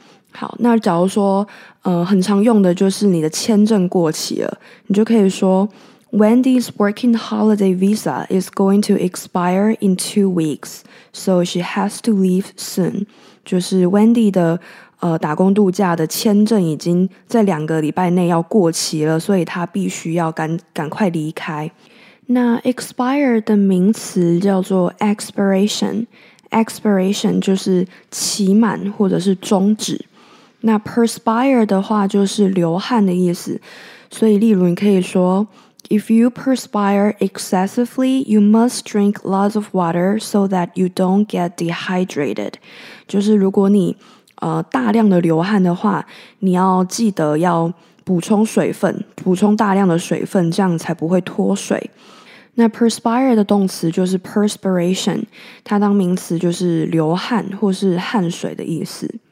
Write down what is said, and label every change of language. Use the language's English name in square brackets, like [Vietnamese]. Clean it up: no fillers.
[Chinese] 好，那假如说很常用的就是你的签证过期了，你就可以说 [English] Wendy's working holiday visa is going to expire in 2 weeks, so she has to leave soon. [Chinese] 就是 Wendy 的打工度假的签证已经在2个礼拜内要过期了，所以她必须要赶快离开。那 expire 的名词叫做 expiration 就是期满或者是终止。那 perspire 的话就是流汗的意思，所以例如你可以说 [English] If you perspire excessively, you must drink lots of water so that you don't get dehydrated. [Chinese] 就是如果你大量的流汗的话，你要记得要补充水分，补充大量的水分，这样才不会脱水。那 perspire 的动词就是 perspiration， 它当名词就是流汗或是汗水的意思。